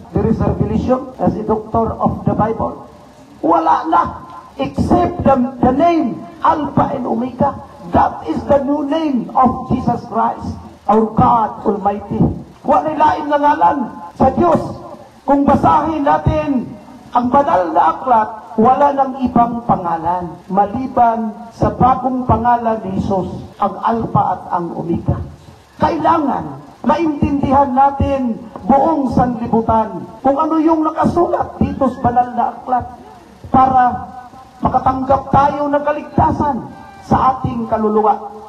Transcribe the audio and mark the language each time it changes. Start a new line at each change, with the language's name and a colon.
English: There is a revelation as a doctor of the Bible.
Filipino: Wala na,
English: except the name Alpha and Omega. That is the new name of Jesus Christ, our God Almighty.
Cebuano: Wala ilaing ngalan sa Diyos.
Filipino: Kung basahin natin ang banal na aklat, wala nang ibang pangalan maliban sa bagong pangalan ni Jesus, ang Alpha at ang Omega. Kailangan maintindihan natin buong sanlibutan kung ano yung nakasulat dito sa banal na aklat para makatanggap tayo ng kaligtasan sa ating kaluluwa.